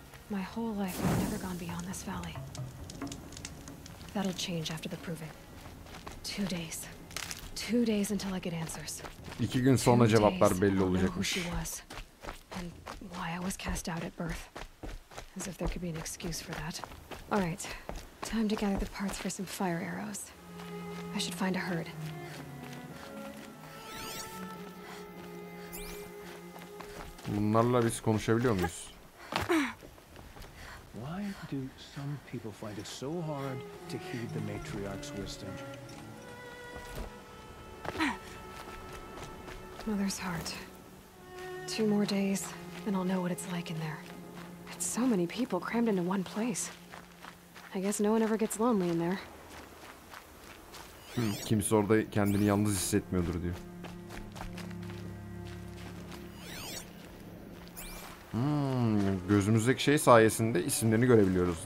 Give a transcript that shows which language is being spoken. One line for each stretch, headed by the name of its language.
English: My whole life has never gone beyond this valley. That'll change after the proving. 2 days. 2 days until I get answers.
Turkish: 2 gün sonra cevaplar belli olacakmış.
English: And why I was cast out at birth. As if there could be an excuse for that. All right. Time to gather the parts for some fire arrows. I should find a herd.
Turkish: Bunlarla biz konuşabiliyor muyuz?
English: Why do some people find it so hard to heed the matriarch's wisdom? Mother's heart. 2 more days and I'll know what it's like in there. It's so many people crammed into one place. I guess no one ever gets lonely in there.
Turkish: Kimse orada kendini yalnız hissetmiyordur diyor. Gözümüzdeki şey sayesinde isimlerini görebiliyoruz.